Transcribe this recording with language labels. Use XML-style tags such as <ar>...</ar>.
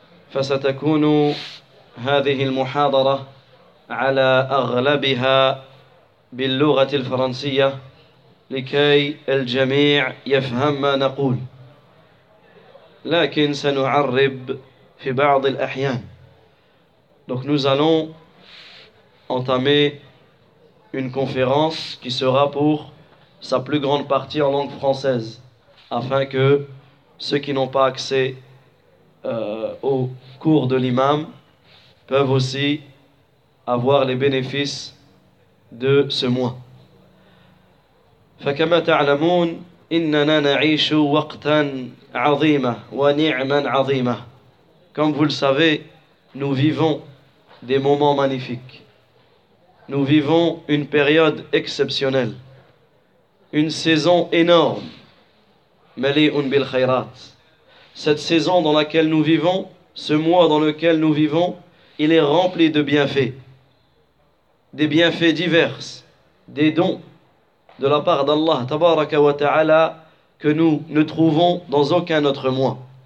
<ar>فستكون هذه المحاضرة على أغلبها باللغة الفرنسية لكي الجميع يفهم ما نقول، لكن سنعرب في بعض الأحيان.</ar> <fr>Donc nous allons entamer une conférence qui sera pour sa plus grande partie en langue française, afin que ceux qui n'ont pas accès au cours de l'imam peuvent aussi avoir les bénéfices de ce mois.</fr> <ar>فكما تعلمون إننا نعيش وقتا عظيما ونعما عظيما.</ar> <fr>Comme vous le savez, nous vivons des moments magnifiques. Nous vivons une période exceptionnelle, une saison énorme,</fr> <ar>mali'un bil khayrat.</ar> <fr>Cette saison dans laquelle nous vivons, ce mois dans lequel nous vivons, il est rempli de bienfaits, des bienfaits divers, des dons de la part d'Allah tabaraka wa ta'ala que nous ne trouvons dans aucun autre mois.</fr>